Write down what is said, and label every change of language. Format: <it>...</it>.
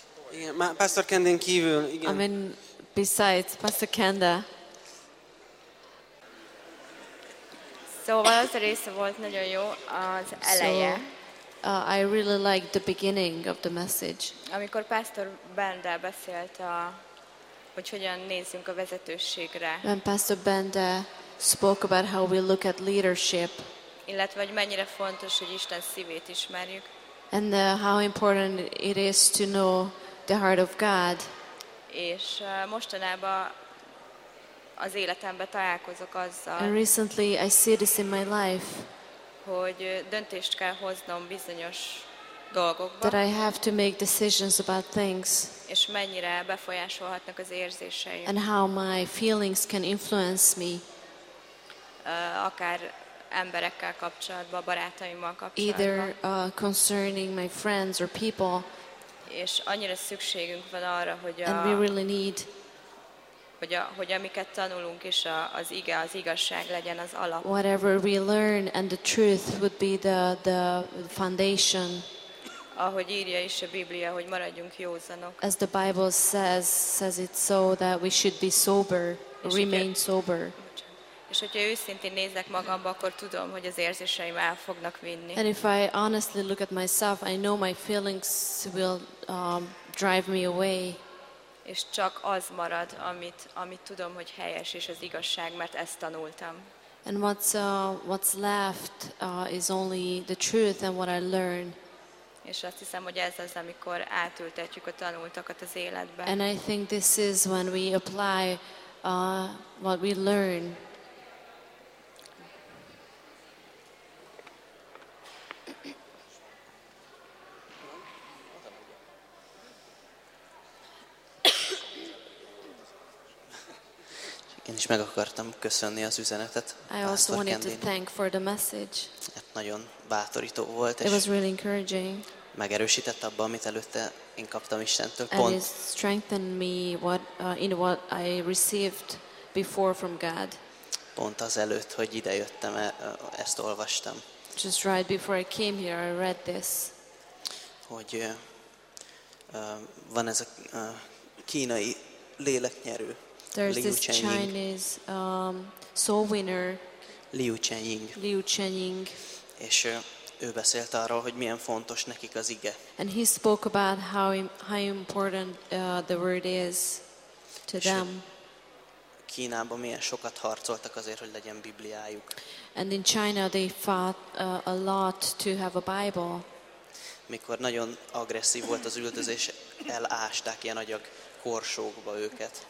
<hu>Igen, Pásztor Kendén kívül, igen.</hu> <en>I mean, besides Pastor Kenda.</en> <hu>Szóval az a része volt nagyon jó, az eleje.</hu> <en>So, I really liked the beginning of the message.</en> <hu>Amikor Pastor Benda beszélt, hogy hogyan nézzünk a vezetőségre.</hu> <en>When Pastor Benda spoke about how we look at leadership.</en> <hu>Illetve, hogy mennyire fontos, hogy Isten szívét ismerjük.</hu> <en>And how important it is to know the heart of God.</en> <hu>És mostanában az életemben találkozok azzal.</hu> <en>And recently I see this in my life.</en> <hu>Hogy döntést kell hoznom bizonyos dolgokban.</hu> <en>That I have to make decisions about things.</en> <hu>És mennyire befolyásolhatnak az érzéseim.</hu> <en>And how my feelings can influence me.</en> <hu>Akár emberekkel kapcsolatban, barátaimmal kapcsolatban.</hu> <en>Either concerning my friends or people.</en> <hu>És annyira szükségünk van arra, hogy</hu> <en>and we really need</en> <hu>hogy amiket tanulunk és az ige, az igazság legyen az alap.</hu> <en>Whatever we learn and the truth would be the foundation.</en> <hu>Ahogy írja is a Biblia, hogy maradjunk józanok.</hu> <en>As the Bible says it so that we should be sober, remain sober.</en> <hu>És hogyha őszintén nézek magamba, akkor tudom, hogy az érzéseim el fognak vinni.</hu> <en>And if I honestly look at myself, I know my feelings will drive me away.</en> <hu>És csak az marad, amit tudom, hogy helyes és az igazság, mert ezt tanultam.</hu> <en>And what's left is only the truth and what I learned.</en> <hu>És azt hiszem, hogy ez az, amikor átültetjük a tanultakat az életbe.</hu> <en>And I think this is when we apply what we learn.</en> <hu>Én is meg akartam köszönni az üzenetet.</hu> <en>I also wanted to thank for the message.</en> <hu>Ez nagyon bátorító volt,</hu> <en>it was really encouraging.</en> <hu>Megerősített abba, amit előtte én kaptam Istentől.</hu> <en>And it strengthened me what I received before from God.</en> <hu>Pont az előtt, hogy ide jöttem, ezt olvastam.</hu> <en>Just right before I came here, I read this.</en> <hu>Hogy van ez a kínai léleknyerő.</hu> <en>There's this Chinese soul winner, Liu Chenying.</en> <hu>És ő beszélt arról, hogy milyen fontos nekik az ige.</hu> <en>And he spoke about how important the word is to them.</en> <hu>Kínában milyen sokat harcoltak azért, hogy legyen Bibliájuk.</hu> <en>And in China they fought a lot to have a Bible.</en> <hu>Mikor nagyon agresszív volt az üldözés, elásták ilyen agyag korsókba őket.</hu>